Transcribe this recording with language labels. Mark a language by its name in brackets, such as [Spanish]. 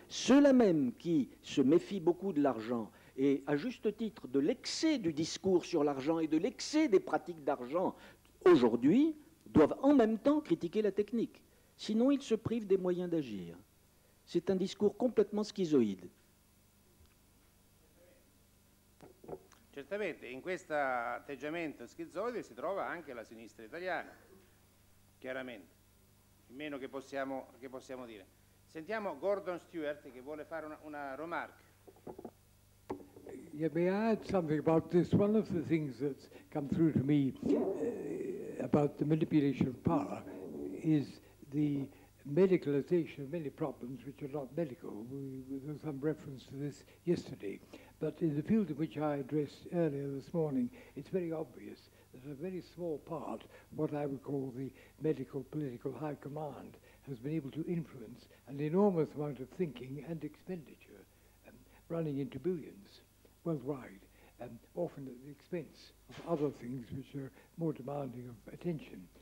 [French] Ceux-là même qui se méfient beaucoup de l'argent et, à juste titre, de l'excès du discours sur l'argent et de l'excès des pratiques d'argent aujourd'hui, doivent en même temps critiquer la technique. Sinon, ils se privent des moyens d'agir. C'est un discours complètement schizoïde. [Italian] Certamente, in questo atteggiamento schizoide si trova anche la sinistra italiana, chiaramente, meno che possiamo dire. Sentiamo Gordon Stewart che vuole fare una remarca. [English] Yeah, may I add something about this? One of the things that come through to me about the manipulation of power is the medicalization of many problems which are not medical. We have some reference to this yesterday. But in the field in which I addressed earlier this morning, it's very obvious that a very small part, what I would call the medical political high command, has been able to influence an enormous amount of thinking and expenditure running into billions worldwide, and often at the expense of other things which are more demanding of attention.